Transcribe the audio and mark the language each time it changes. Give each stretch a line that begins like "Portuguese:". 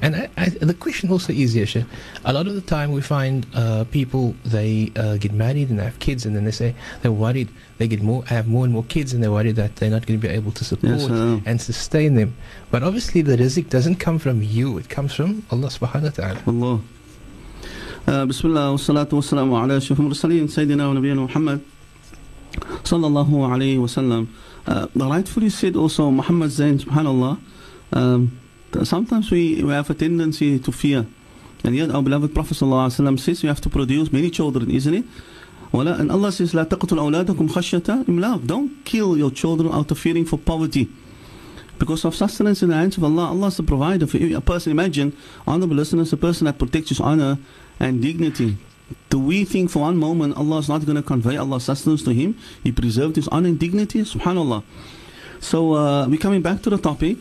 English: And the question also is, yeah, Sheikh, a lot of the time we find people, they get married and they have kids, and then they say they're worried, they get more, have more and more kids, and they're worried that they're not going to be able to support and sustain them. But obviously the rizq doesn't come from you, it comes from Allah subhanahu wa ta'ala. Allah.
Arabic: بسم الله والصلاة والسلام على أشرف المرسلين سيدنا ونبينا محمد صلى الله عليه وسلم.
English: Rightfully said also Muhammad Zain سبحان الله. Sometimes we have a tendency to fear, and yet our beloved Prophet صلى الله عليه وسلم says we have to produce many children, isn't it?
Arabic: ولا
English: and Allah says
Arabic: لا تقتل أولادكم خشية إملاق.
English: Don't kill your children out of fearing for poverty. Because of sustenance in the hands of Allah, Allah is the provider for a person. Imagine, honorable listeners, a person that protects his honor and dignity. Do we think for one moment Allah is not going to convey Allah's sustenance to him? He preserved his honor and dignity, subhanAllah. So we're coming back to the topic.